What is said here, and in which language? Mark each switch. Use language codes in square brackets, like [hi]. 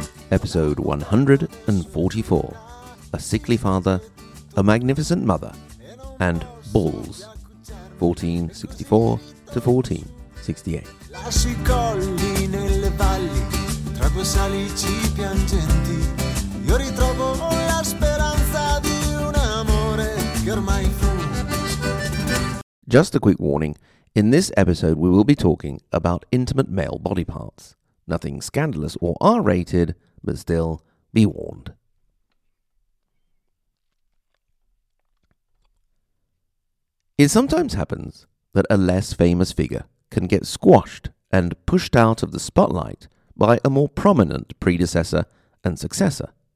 [en] Episode 144. A Sickly Father, A Magnificent Mother, and Balls. 1464 to 1468. [it] Lasci colli nelle valli, tra quei salici piangenti, io ritrovo la speranza di un amore che ormai fu. [en] Just a quick warning, in this episode we will be talking about intimate male body parts. Nothing scandalous or R-rated, but still, be warned. It sometimes happens that a less famous figure can get squashed and pushed out of the spotlight by a more prominent predecessor and successor.